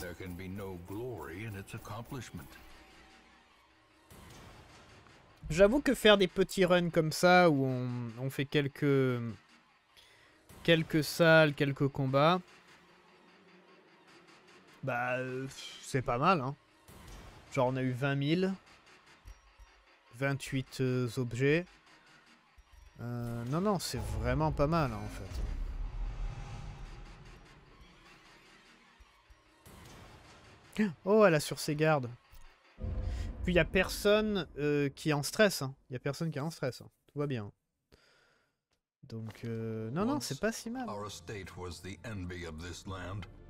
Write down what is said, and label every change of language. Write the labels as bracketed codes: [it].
[en] There can be no glory in its accomplishment. [fr] J'avoue que faire des petits runs comme ça, où on fait quelques salles, quelques combats... Bah, c'est pas mal, hein. Genre, on a eu 20 000. 28 objets. Non, c'est vraiment pas mal, hein, en fait. Oh, elle a sur ses gardes. Puis, il n'y a personne qui est en stress. Hein. Il n'y a personne qui est en stress. Hein. Tout va bien. Donc, non, c'est pas si mal. [en] Our estate was the envy of this land.